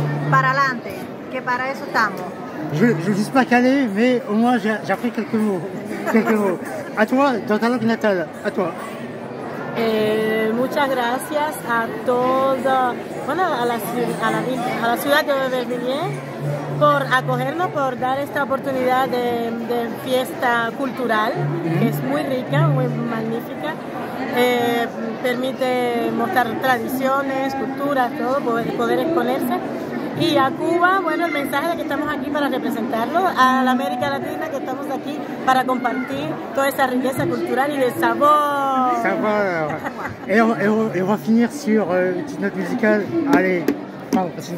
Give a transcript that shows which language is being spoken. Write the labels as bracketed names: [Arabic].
[Spanish] Para adelante, que para eso estamos. [French] Je ne suis pas calé, mais au moins j'ai appris quelques mots. À toi, dans ta langue natale, à toi. [Spanish] Muchas gracias a toda, bueno, a la ciudad de Aubervilliers por acogernos, por dar esta oportunidad de fiesta cultural, mm-hmm. que es muy rica, muy magnífica. Permite mostrar tradiciones, culturas, todo, poder exponerse. Y a Cuba, bueno, el mensaje de que estamos aquí para representarlo, a la América Latina que estamos aquí para compartir toda esa riqueza cultural y de sabor. Sabor. [French] Et on va finir sur une note musicale. Allez, [Spanish] vamos.